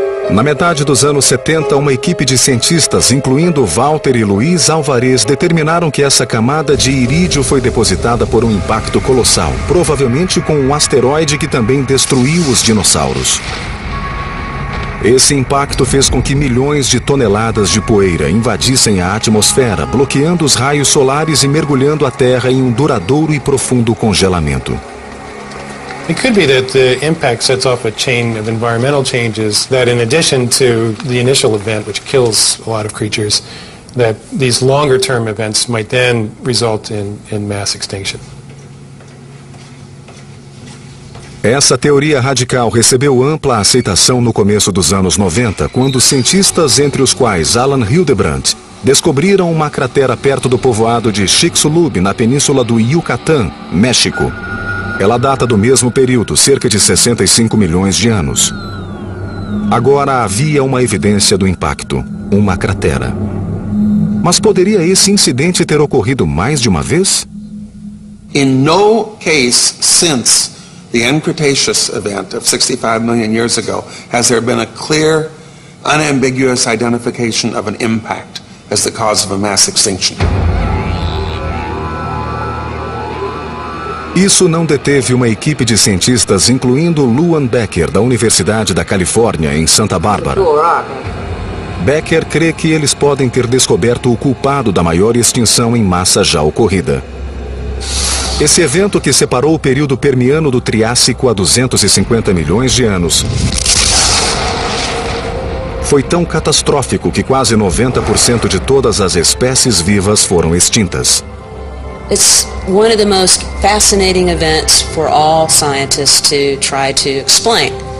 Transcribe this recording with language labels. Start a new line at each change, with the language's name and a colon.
Portuguese: Na metade dos anos 70, uma equipe de cientistas, incluindo Walter e Luiz Alvarez, determinaram que essa camada de irídio foi depositada por um impacto colossal, provavelmente com um asteroide que também destruiu os dinossauros. Esse impacto fez com que milhões de toneladas de poeira invadissem a atmosfera, bloqueando os raios solares e mergulhando a Terra em um duradouro e profundo congelamento.
English: It could be that the impact sets off a chain of environmental changes that, in addition to the initial event, which kills a lot of creatures, that these longer-term events might then result in mass extinction.
Portuguese: Essa teoria radical recebeu ampla aceitação no começo dos anos 90, quando cientistas, entre os quais Alan Hildebrandt, descobriram uma cratera perto do povoado de Chicxulub, na península do Yucatán, México. Ela data do mesmo período, cerca de 65 milhões de anos. Agora havia uma evidência do impacto, uma cratera. Mas poderia esse incidente ter ocorrido mais de uma vez?
English: In no case since the end Cretaceous event of 65 million years ago has there been a clear, unambiguous identification of an impact as the cause of a mass extinction.
Portuguese: Isso não deteve uma equipe de cientistas, incluindo Luan Becker, da Universidade da Califórnia, em Santa Bárbara. Becker crê que eles podem ter descoberto o culpado da maior extinção em massa já ocorrida. Esse evento, que separou o período Permiano do Triássico há 250 milhões de anos, foi tão catastrófico que quase 90% de todas as espécies vivas foram extintas.
English: It's one of the most fascinating events for all scientists to try to explain.